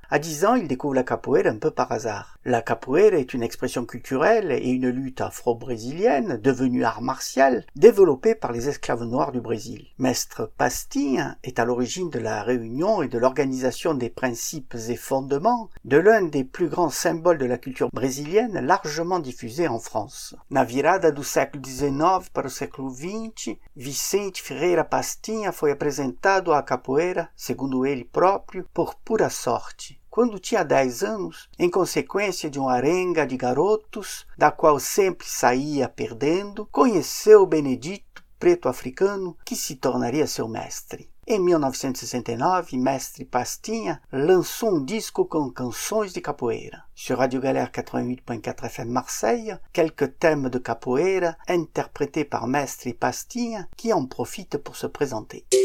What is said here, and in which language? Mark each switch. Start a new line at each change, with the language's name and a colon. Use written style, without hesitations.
French: À 10 ans, il découvre la capoeira un peu par hasard. La capoeira est une expression culturelle et une lutte afro-brésilienne devenue art martial développée par les esclaves noirs du Brésil. Mestre Pastinha est à l'origine de la réunion et de l'organisation des principes et fondements de l'un des plus grands symboles de la culture brésilienne largement diffusée en France.
Portuguese: Na virada do século XIX para o século XX, Vicente Ferreira Pastinha foi apresentado à capoeira, segundo ele próprio, por pura sorte. Quando tinha 10 anos, em consequência de uma arenga de garotos, da qual sempre saía perdendo, conheceu Benedito, preto africano, que se tornaria seu mestre. Em 1969, Mestre Pastinha lançou um disco com canções de capoeira.
French: Sur Radio Galère 88.4 FM Marseille, quelques thèmes de capoeira interprétés par Mestre Pastinha, qui en profite pour se présenter.